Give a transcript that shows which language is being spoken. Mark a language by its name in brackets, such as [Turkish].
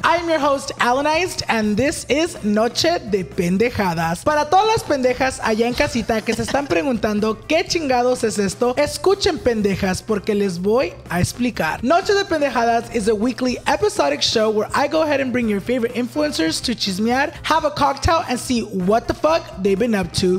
[English] I'm your host Alanized and this is Noche de Pendejadas. [Spanish] Para todas las pendejas allá en casita que se están preguntando qué chingados es esto, escuchen pendejas porque les voy a explicar. [English] Noche de Pendejadas is a weekly episodic show where I go ahead and bring your favorite influencers to chismear, have a cocktail and see what the fuck they've been up to.